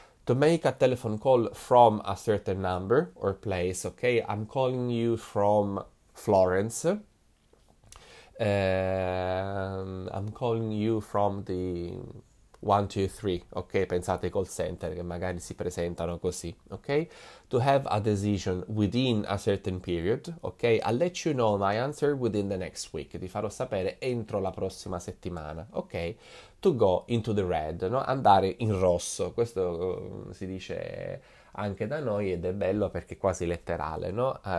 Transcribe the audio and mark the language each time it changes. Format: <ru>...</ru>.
<en>To make a telephone call from a certain number or place, ok? I'm calling you from Florence. I'm calling you from the 123, ok?</en> <it>Pensate ai call center che magari si presentano così, ok?</it> <en>To have a decision within a certain period, ok? I'll let you know my answer within the next week.</en> <it>Ti farò sapere entro la prossima settimana, ok?</it> <en>To go into the red,</en> <it>no? Andare in rosso. Questo si dice anche da noi ed è bello perché è quasi letterale, no?</it>